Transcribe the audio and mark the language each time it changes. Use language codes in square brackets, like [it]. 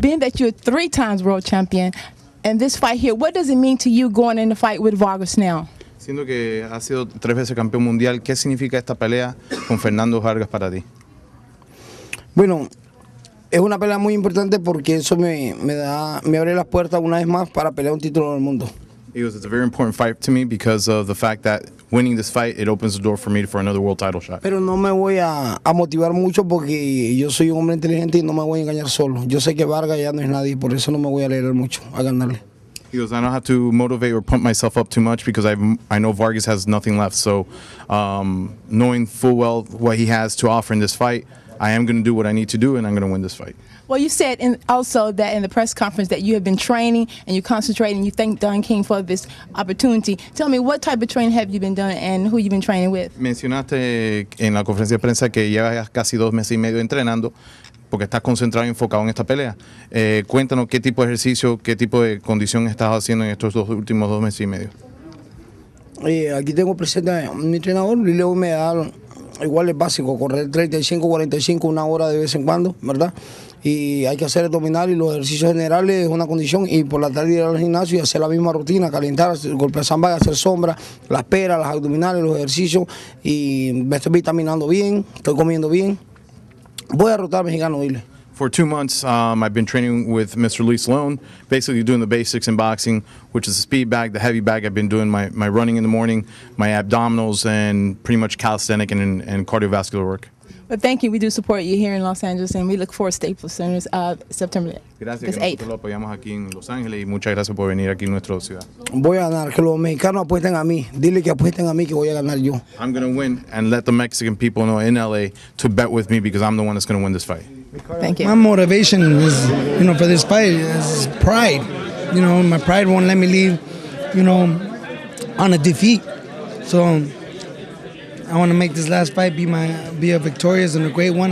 [en] Being that you're a three-times world champion in this fight here, what does it mean to you going in the fight with Vargas now? [es] Siendo que has sido tres veces campeón mundial, ¿qué significa esta pelea con Fernando Vargas para ti? Bueno, es una pelea muy importante porque eso me abre las puertas una vez más para pelear un título en el mundo. [en] It's a very important fight to me because of the fact that winning this fight, it opens the door for me for another world title shot. [es] Pero no me voy a motivar mucho porque yo soy un hombre inteligente y no me voy a engañar solo. Yo sé que Vargas ya no es nadie, por eso no me voy a alegrar mucho a ganarle. [en] He goes, I don't have to motivate or pump myself up too much because I know Vargas has nothing left. So knowing full well what he has to offer in this fight, I am going to do what I need to do and I'm going to win this fight. Well, you said also that in the press conference that you have been training and you're concentrating. You thank Don King for this opportunity. Tell me, what type of training have you been doing and who you've been training with? [es] Mencionaste en la conferencia de prensa que llevas casi dos meses y medio entrenando porque estás concentrado y enfocado en esta pelea. Cuéntanos qué tipo de ejercicio, qué tipo de condición estás haciendo en estos dos últimos dos meses y medio. Aquí tengo presente a mi entrenador y luego me da igual es básico, correr 35, 45, una hora de vez en cuando, ¿verdad? Y hay que hacer abdominal y los ejercicios generales es una condición y por la tarde ir al gimnasio y hacer la misma rutina, calentar, golpear zambada, hacer sombra, las peras, las abdominales, los ejercicios y me estoy vitaminando bien, estoy comiendo bien. Voy a rotar mexicano, dile. [en] For 2 months, I've been training with Mr. Lee Sloan, basically doing the basics in boxing, which is the speed bag, the heavy bag. I've been doing my running in the morning, my abdominals, and pretty much calisthenic and cardiovascular work. But thank you. We do support you here in Los Angeles, and we look forward to Staples Center September 8th. [es] Gracias. Nosotros lo apoyamos aquí en Los Ángeles, y muchas gracias por venir aquí en nuestra ciudad. Voy a ganar. Que los mexicanos apuesten a mí. Dile que apuesten a mí que voy a ganar yo. [en] I'm going to win, and let the Mexican people know in L.A. to bet with me because I'm the one that's going to win this fight. Thank you. My motivation is, you know, for this fight is pride. You know, my pride won't let me leave, you know, on a defeat. So I want to make this last fight be a victorious and a great one.